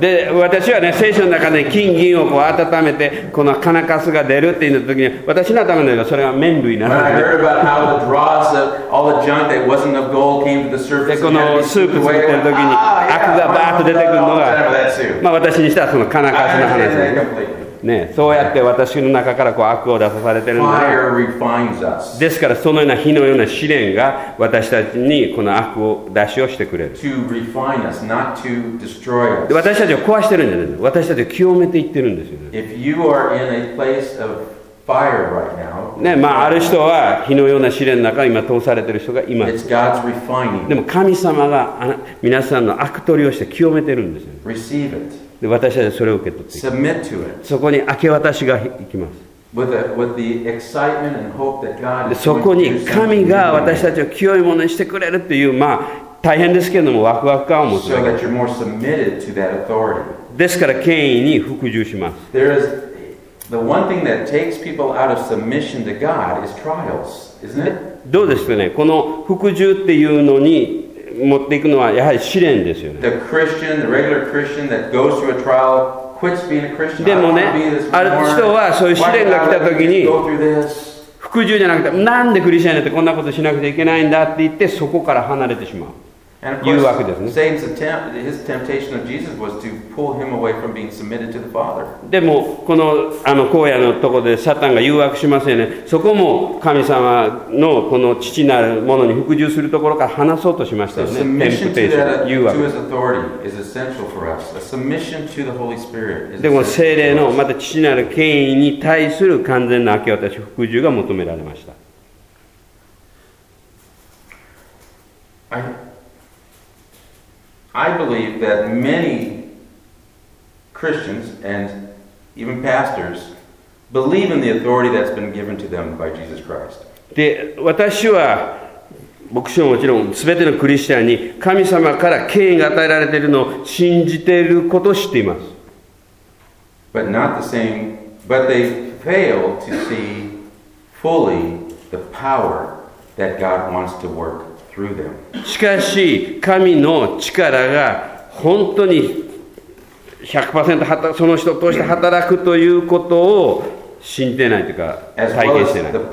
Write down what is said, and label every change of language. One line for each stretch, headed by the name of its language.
Japanese: で、私はね、聖書の中で金銀をこう温めてこの金カスが出るって言った時に、私のためならそれは麺類なので。
English: When I heard about how the dross of all the junk that wasn't of gold came to the surface,
Japanese: このスープ作ってる時に悪がバーッと出てくるのが、まあ私にしたらその金カスの話です。ね、そうやって私の中からこう悪を出さされてるんで。
English: Fire refines us.
Japanese: ですからそのような火のような試練が私たちにこの悪を出しをしてくれる。
English: To refine us, not to destroy us.
Japanese: で、私たちを壊してるんじゃないの。私たちを清めていってるんですよね。
English: If you are in a place of fire right now.
Japanese: ね、まあある人は火のような試練の中に今通されている人がいます。
English: It's God's refining.
Japanese: でも神様が皆さんの悪取りをして清めてるんですよ。
English: Receive it.
Japanese: で、私たちはそれを受け取って。
English: Submit to it.
Japanese: そこに明け渡しが行きます。
English: With the excitement and hope that God is going to do something.
Japanese: そこに神が私たちを清いものにしてくれるっていう、まあ大変ですけれどもワクワク感を持つ。
English: So that you're more submitted to that authority.
Japanese: ですから権威に服従します。
English: The one thing that takes people out of submission to God is trials, isn't it?
Japanese: どうですかね。この服従っていうのに持っていくのはやはり試練ですよね。
English: The Christian, the regular Christian that goes through a trial quits being a Christian.
Japanese: でもね、ある人はそういう試練が来た時に服従じゃなくて、なんでクリスチャンだってこんなことしなくちゃいけないんだって言ってそこから離れてしまう。誘惑ですね。
English: Satan's attempt, his temptation of Jesus was to pull him away from being submitted to the Father.
Japanese: でもこのあの荒野のところでサタンが誘惑しますよね。そこも神様のこの父なるものに服従するところから離そうとしましたよね。
English: Submission to that, 誘惑。To his authority is essential for us. A submission to the Holy Spirit.
Japanese: でも聖霊のまた父なる権威に対する完全な明け渡し服従が求められました。
English: I believe that many Christians and even pastors believe in the authority that's been given to them by Jesus Christ.
Japanese: で、私は牧師ももちろん全てのクリスチャンに神様から権威が与えられているのを信じていることを知っています。
English: But not the same, but they fail to see fully the power that God wants to work.
Japanese: しかし神の力が本当に 100% その人を通して働くということを信じてないというか体験してない。